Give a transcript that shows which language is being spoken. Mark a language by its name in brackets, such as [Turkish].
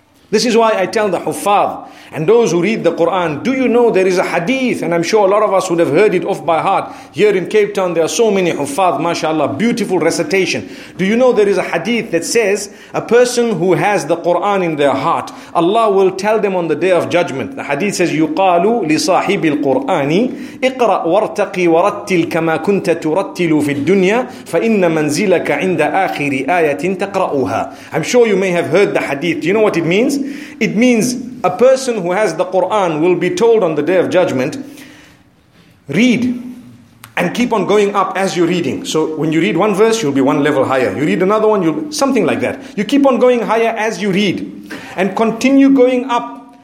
[English] This is why I tell the huffaz and those who read the Quran, do you know there is a hadith, and I'm sure a lot of us would have heard it off by heart. Here in Cape Town, there are so many huffaz, mashallah, beautiful recitation. Do you know there is a hadith that says, a person who has the Quran in their heart, Allah will tell them on the day of judgment. The hadith says, [Arabic] يُقَالُ لِصَاحِبِ الْقُرْآنِ اِقْرَأْ وَارْتَقِي وَرَتِّلْ كَمَا كُنْتَ تُرَتِّلُ فِي الدُّنْيَا فَإِنَّ مَنْزِلَكَ عِنْدَ آخِرِ آيَةٍ تَقْرَأُهَا. [English] I'm sure you may have heard the hadith. Do you know what it means? It means a person who has the Quran will be told on the day of judgment, read and keep on going up as you're reading. So when you read one verse, you'll be one level higher. You read another one, you'll something like that. You keep on going higher as you read and continue going up.